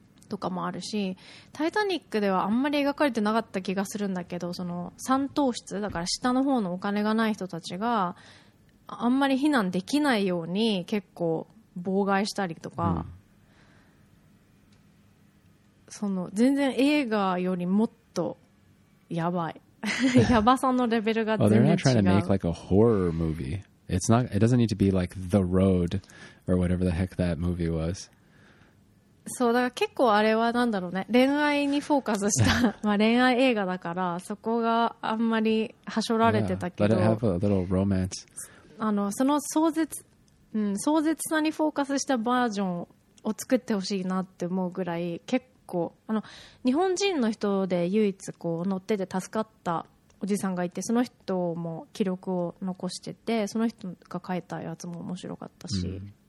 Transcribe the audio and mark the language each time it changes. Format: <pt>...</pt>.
<ja>とかもあるし、うん、タイタニックではあんまり描かれてなかった気がするんだけど、その三等室だから下の方のお金がない人たちがあんまり避難できないように結構妨害したりとか、うん、その全然映画よりもっとやばい、やばさのレベルが全然違う。</ja> <en>Well, they're not trying to make like a horror movie. It's not. It doesn't need to be like The Road or whatever the heck that movie was.</en> <ja>そうだから結構あれはなんだろうね、恋愛にフォーカスしたまあ恋愛映画だからそこがあんまりはしょられてたけど。</ja> <en>Yeah, but it have a little romance.</en> <ja>あのその壮絶。うん、壮絶さにフォーカスしたバージョンを作ってほしいなって思うぐらい、結構あの日本人の人で唯一こう乗ってて助かったおじさんがいて、その人も記録を残してて、その人が書いたやつも面白かったし、</ja>